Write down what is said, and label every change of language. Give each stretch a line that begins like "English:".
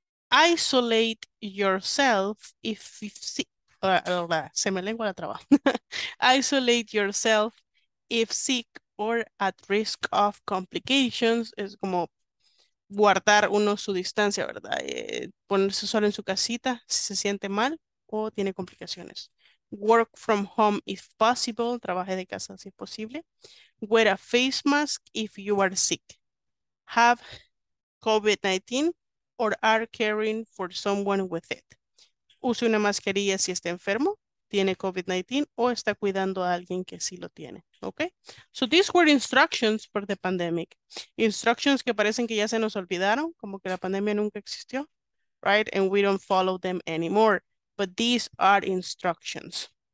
English: Isolate yourself Isolate yourself if sick or at risk of complications.
Spanish: Es como guardar uno su distancia, ¿verdad? Ponerse solo en su casita si se siente mal o tiene complicaciones.
English: Work from home if possible.
Spanish: Trabaje de casa si es posible.
English: Wear a face mask if you are sick. Have COVID-19 or are caring for someone with it.
Spanish: Use una mascarilla si está enfermo, tiene COVID-19 o está cuidando a alguien que sí lo tiene. Okay?
English: So these were instructions for the pandemic.
Spanish: Instructions que parecen que ya se nos olvidaron, como que la pandemia nunca existió, right?
English: And we don't follow them anymore. But these are instructions.